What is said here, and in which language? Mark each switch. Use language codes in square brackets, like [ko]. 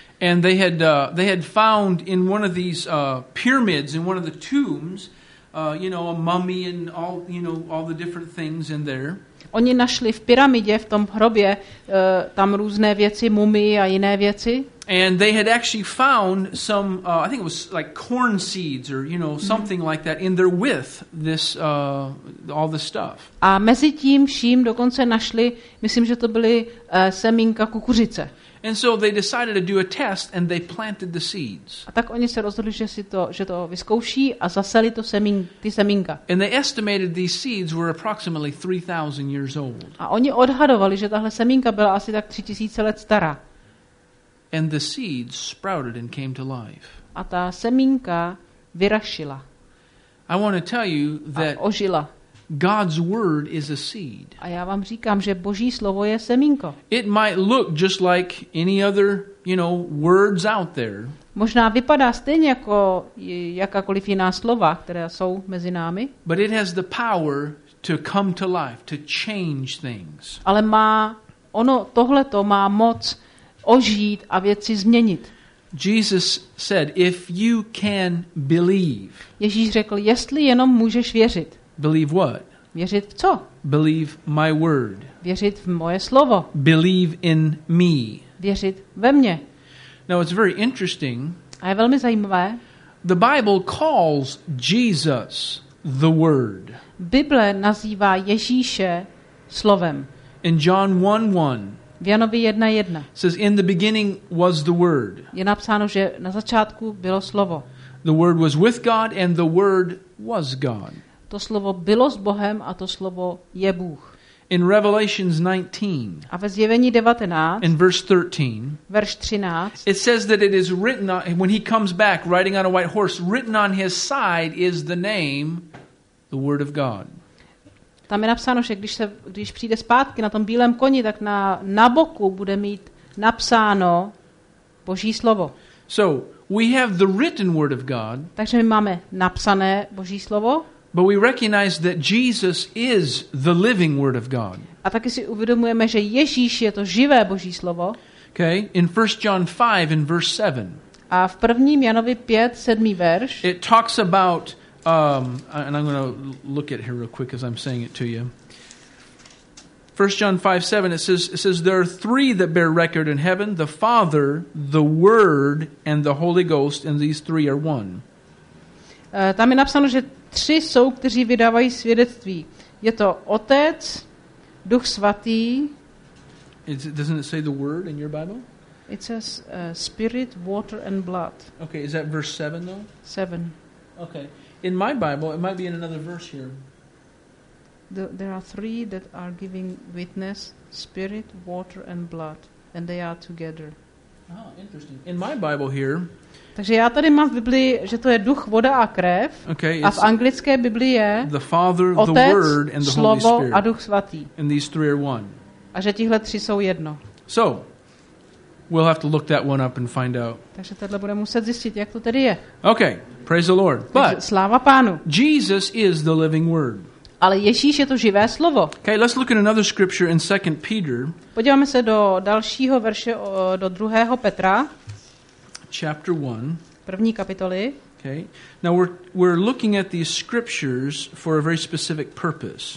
[en] And they had found in one of these pyramids in one of the tombs, a mummy and all the different things in there. [cs] Oni našli v pyramidě, v tom hrobě, tam různé věci, mumie a jiné věci. [en] And they had actually found some, I think it was like corn seeds or something like that in there with this all the stuff. [cs] A mezi tím vším dokonce našli, myslím, že to byly semínka kukuřice. [en] And so they decided to do a test and they planted the seeds. [cs] A tak oni se rozhodli, že to vyzkouší a zaseli to semín, ty semínka. [en] And they estimated these seeds were approximately 3000 years old. [cs] A oni odhadovali, že tahle semínka byla asi tak 3000 let stará. [en] And the seeds sprouted and came to life. [cs] A ta semínka vyrašila. [en] I want to tell you that [cs] ožila. [en] God's word is a seed. [cs] A já vám říkám, že Boží slovo je semínko. [en] It might look just like any other, you know, words out there. [cs] Možná vypadá stejně jako jakákoliv jiná slova, která jsou mezi námi. [en] But it has the power to come to life, to change things. [cs] Ale má ono tohle to má moc ožít a věci změnit. [en] Jesus said, if you can believe. [cs] Ježíš řekl, jestli jenom můžeš věřit. [en] Believe what? [cs] Věřit v co? [en] Believe my word. [cs] Věřit v moje slovo. [en] Believe in me. [cs] Věřit ve mně. [en] Now it's very interesting. [cs] A je velmi zajímavé. [en] The Bible calls Jesus the word. [cs] Bible nazývá Ježíše slovem. [en] In John 1:1. [cs] V Janovi 1:1. [en] Says in the beginning was the word. [cs] Je napsáno, že na začátku bylo slovo. [en] The word was with God and the word was God. [cs] To slovo bylo s Bohem a to slovo je Bůh. [en] In Revelations 19. [cs] A ve Zjevení 19. [en] In verse 13. [cs] Verš 13. [en] It says that it is written on, when he comes back riding on a white horse, written on his side is the name, the word of God. [cs] Tam je napsáno, že když přijde zpátky na tom bílém koni, tak na boku bude mít napsáno Boží slovo. [en] So, we have the written word of God. [cs] Takže my máme napsané Boží slovo. [en] But we recognize that Jesus is the living word of God. [cs] A taky si uvědomujeme, že Ježíš je to živé Boží slovo. [en] Okay, in 1 John 5 in verse 7. [cs] A v prvním Janovi 5, 7. verš. [en] It talks about and I'm going to look at it here real quick as I'm saying it to you. 1 John 5, 7, it says there are three that bear record in heaven, the Father, the Word, and the Holy Ghost, and these three are one. [cs] Tam je napsáno, že tři jsou, kteří vydávají svědectví. Je to Otec, Duch Svatý. [en] Doesn't it say the word in your Bible? It says spirit, water and blood. Okay, is that verse 7 though? 7. Okay. In my Bible, it might be in another verse here. There are three that are giving witness, spirit, water and blood, and they are together. Oh, interesting. In my Bible here, [cs] takže já tady mám v Biblii, že to je duch, voda a krev. [en] Okay, [cs] a v anglické Biblii je [en] the Father, [cs] Otec, [en] the Word, and the [cs] slovo [en] Holy Spirit. [cs] A Duch Svatý. [en] And these three are one. [cs] A že tihle tři jsou jedno. [en] So, we'll have to look that one up and find out. [cs] Takže tohle budeme muset zjistit, jak to tedy je. [en] Okay, praise the Lord. But [cs] sláva Pánu. [en] Jesus is the living word. [cs] Ale Ježíš je to živé slovo. [en] Okay, let's look at another scripture in 2 Peter. [cs] Podíváme se do dalšího verše, do 2. Petra. [en] Chapter 1. [cs] První kapitoly. [en] Okay. Now we're looking at these scriptures for a very specific purpose.